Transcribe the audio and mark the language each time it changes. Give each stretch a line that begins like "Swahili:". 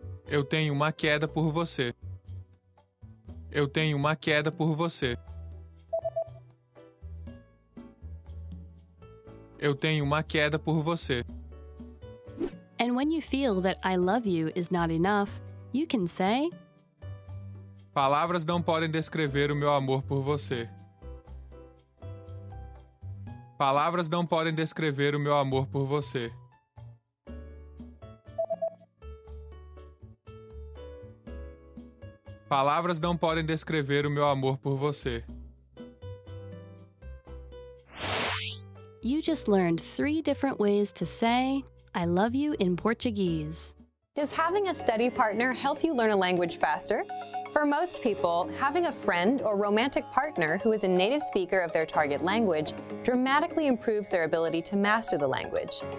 Portuguese: Eu tenho uma queda por você. Eu tenho uma queda por você. Eu tenho uma queda por você.
English: And when you feel that I love you is not enough, you can say
Portuguese: Palavras não podem descrever o meu amor por você. Palavras não podem descrever o meu amor por você. Palavras não podem descrever o meu amor por você.
English: You just learned three different ways to say I love you in Portuguese. Does having a study partner help you learn a language faster? For most people, having a friend or romantic partner who is a native speaker of their target language dramatically improves their ability to master the language.